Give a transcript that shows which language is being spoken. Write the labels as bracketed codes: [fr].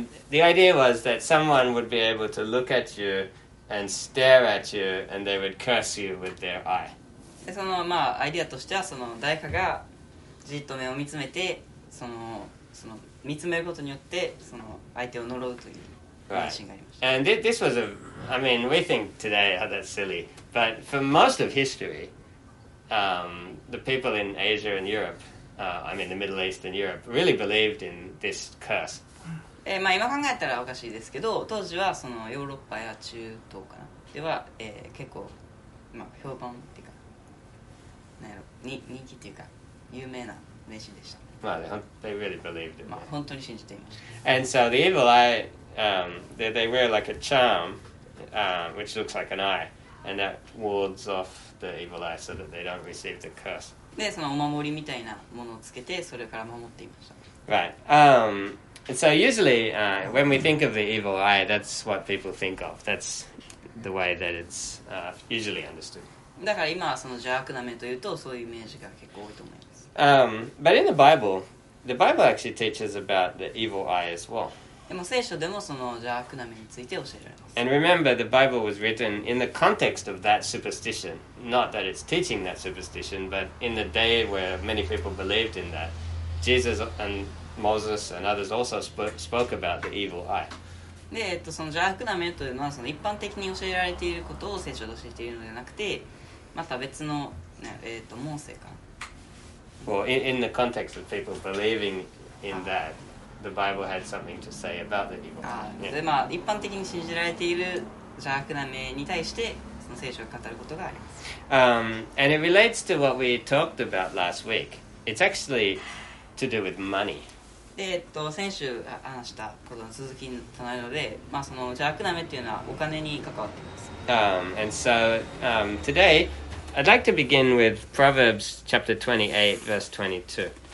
[en] The idea was that someone would be able to look at you and stare at you, and they would curse you with their eye. [ja] で、その、まあ、アイデアとしては、その、誰かがじっと目を見つめて、その、見つめることによって、その、相手を呪うという迷信がありました。 [en] Right. And this was I mean, we think today, oh, that's silly, but for most of history, the people in Asia and Europe, I mean, the Middle East and Europe, really believed in this curse. [ja] まあ、今考えたらおかしいですけど、当時はそのヨーロッパや中東かなでは、結構、まあ、評判っていうか、なんやろ、人気っていうか有名な迷信でした。 [en] まあ、they really believed it. [ja] まあ、本当に信じていました。 [en] And so the evil eye, they wear like a charm, which looks like an eye, and that wards off the evil eye so that they don't receive the curse. [ja] で、そのお守りみたいなものをつけて、それから守っていました。 [en] Right. And so usually, when we think of the evil eye, that's what people think of. That's the way that it's usually understood. [ja] だから今その邪悪な目というとそういうイメージが結構多いと思います。 [en] But in the Bible actually teaches about the evil eye as well. [ja] でも聖書でもその邪悪な目について教えられます。 [en] And remember, the Bible was written in the context of that superstition. Not that it's teaching that superstition, but in the day where many people believed in that. Jesus and Moses and others also spoke about the evil eye. [ja] で、その邪悪な目というのはその一般的に教えられていることを聖書で教えているのではなくて、また別の、モーセか。 [en] Well, in the context of people believing in that, the Bible had something to say about the evil eye. [ja] で、まあ、一般的に信じられている邪悪な目に対して、その聖書が語ることがあります。 [en] And it relates to what we talked about last week. It's actually to do with money. [ja] 先週話したことの続きとなるので、まあ、その邪悪な目というのはお金に関わっています。 [en] And so, today, I'd like to begin with Proverbs chapter 28, verse 22.